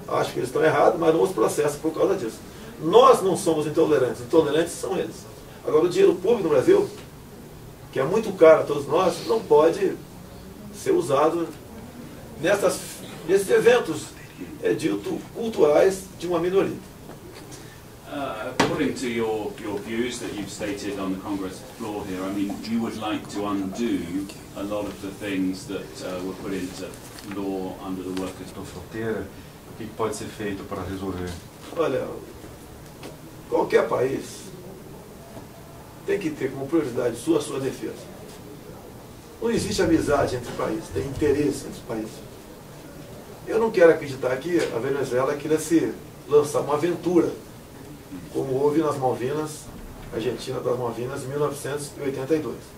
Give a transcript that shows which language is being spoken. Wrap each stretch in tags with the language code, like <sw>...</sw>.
<pt>Acho que eles estão errados, mas não os processam por causa disso. Nós não somos intolerantes, intolerantes são eles. Agora, o dinheiro público no Brasil, que é muito caro a todos nós, não pode ser usado nesses eventos dito culturais de uma minoria.</pt> <en>According to your views that you've stated on the Congress floor here, I mean, you would like to undo a lot of the things that were put into law under the workers'</en> <pt>solteira. O que pode ser feito para resolver? Olha, qualquer país tem que ter como prioridade sua defesa. Não existe amizade entre países, tem interesse entre países. Eu não quero acreditar que a Venezuela queira se lançar uma aventura como houve nas Malvinas, Argentina das Malvinas, em 1982.</pt>